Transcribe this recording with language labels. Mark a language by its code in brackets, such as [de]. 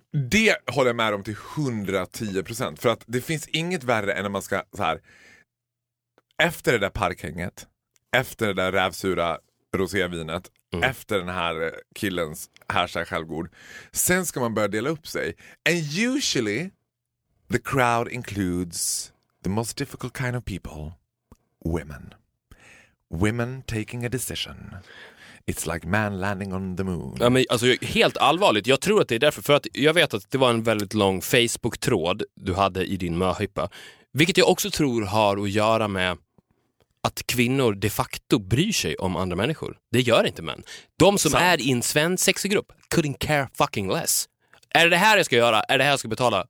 [sv] Det håller jag med om till 110%. För att det finns inget värre än när man ska så här. Efter det där parkhänget, efter det där rävsura rosévinet, efter den här killens härsar självgod, sen ska man börja dela upp sig. [en] And usually the crowd includes the most difficult kind of people, women. Women taking a decision. It's like man landing on the moon. [sv] Ja, men, alltså, helt allvarligt, jag tror att det är därför. För att jag vet att det var en väldigt lång Facebook-tråd du hade i din möhyppa. Vilket jag också tror har att göra med att kvinnor de facto bryr sig om andra människor. Det gör inte män. De som är i en svensexig grupp [en] couldn't care fucking less. [sv] Är det här jag ska göra? Är det här jag ska betala?